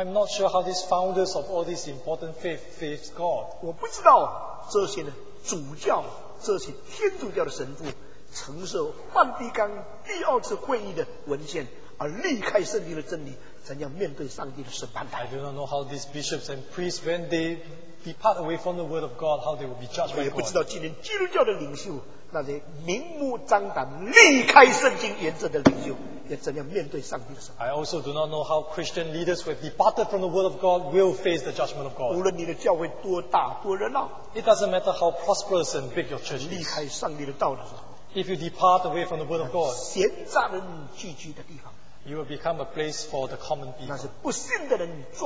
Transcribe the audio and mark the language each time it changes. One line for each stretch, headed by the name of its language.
English: I'm not sure how these founders of all these important faith face God.
Chinese: 我不知道这些主教、这些天主教的神父承受梵蒂冈第二次会议的文献而离开圣经的真理。
English: I do not know how these bishops and priests, when they depart away from the word of God, how they will be judged by God.
Chinese: 我也不知道今天基督教的领袖，那些明目张胆离开圣经原则的领袖，要怎样面对上帝的审判。
English: I also do not know how Christian leaders who have departed from the word of God will face the judgment of God.
Chinese: 无论你的教会多大多热闹,
English: it doesn't matter how prosperous and big your church is.
Chinese: 离开上帝的道的时候,
English: if you depart away from the word of God,
Chinese: 闲杂人聚居的地方,
English: you will become a place for the common people.